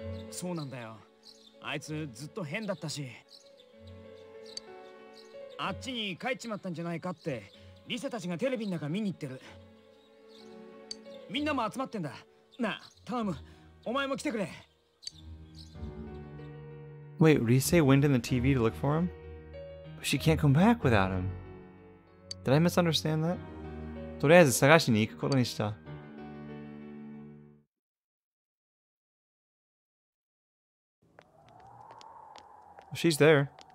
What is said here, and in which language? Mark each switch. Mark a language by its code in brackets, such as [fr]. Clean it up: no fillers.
[ja] そうなんだよ。あいつずっと変だったし、あっちに帰っちまったんじゃないかってリセたちがテレビの中見に行ってる。みんなも集まってんだ。なあ、頼む、お前も来てくれ。 [en] Wait, Rise went in the TV to look for him? She can't come back without him. Did I misunderstand that? [ja] とりあえず探しに行くことにした。 [en] She's there.